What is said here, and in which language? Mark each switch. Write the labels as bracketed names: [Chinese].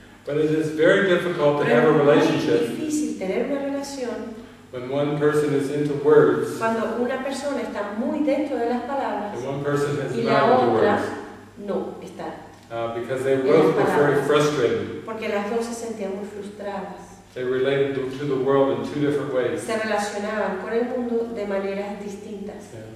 [English] But it is very difficult to have a relationship. [Spanish] Pero es muy difícil tener una relación. [English] When one person is into words, [Spanish] cuando una persona está muy dentro de las palabras, [English] and one person is [Spanish] y la otra [English] words, [Spanish] no está, [English] because they both were very frustrated. [Spanish] Porque las dos se sentían muy frustradas. [English] They related to the world in two different ways. [Spanish] Se relacionaban con el mundo de maneras distintas.